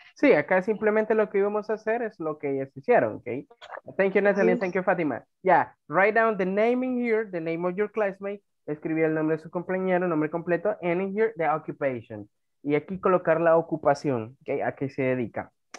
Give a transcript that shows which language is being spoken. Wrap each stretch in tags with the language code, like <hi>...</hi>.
<es>Sí, acá simplemente lo que íbamos a hacer es lo que ellos hicieron, okay?</es> <en>Thank you, Natalie. Thank you, Fatima. Yeah, write down the name in here, the name of your classmate.</en> <es>Escribí el nombre de su compañero, nombre completo,</es> <en>and in here the occupation.</en> <es>Y aquí colocar la ocupación, okay, a qué se dedica.</es>